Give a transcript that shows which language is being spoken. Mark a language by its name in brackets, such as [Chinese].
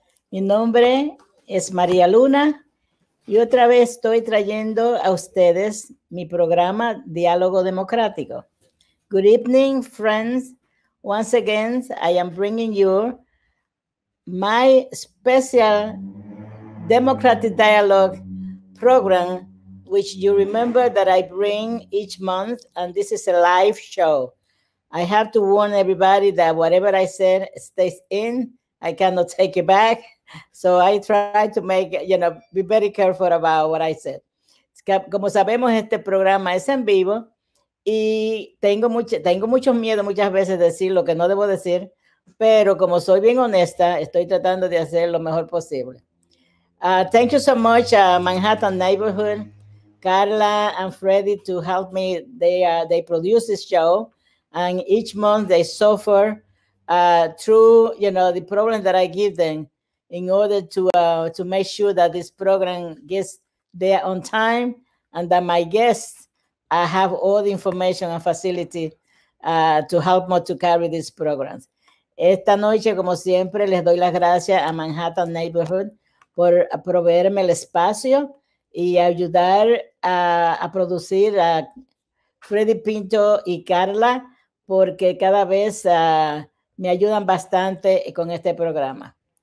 [Spanish] Mi nombre es María Luna y otra vez estoy trayendo a ustedes mi programa Diálogo Democrático. [English] Good evening, friends. Once again, I am bringing you my special Democratic Dialogue program, which you remember that I bring each month, and this is a live show. I have to warn everybody that whatever I said stays in, I cannot take it back. So I try to make, you know, be very careful about what I said. [Spanish] Como sabemos, este programa es en vivo y tengo mucho miedo muchas veces decir lo que no debo decir, pero como soy bien honesta, estoy tratando de hacer lo mejor posible. [English] Thank you so much, Manhattan Neighborhood, Carla and Freddy, to help me. They produce this show. And each month they suffer through, you know, the problem that I give them in order to make sure that this program gets there on time and that my guests have all the information and facility to help me to carry these programs. [Spanish] Esta noche, como siempre, les doy las gracias a Manhattan Neighborhood por proveerme el espacio y ayudar a producir a Freddy Pinto y Carla, porque cada vez me ayudan bastante con este programa.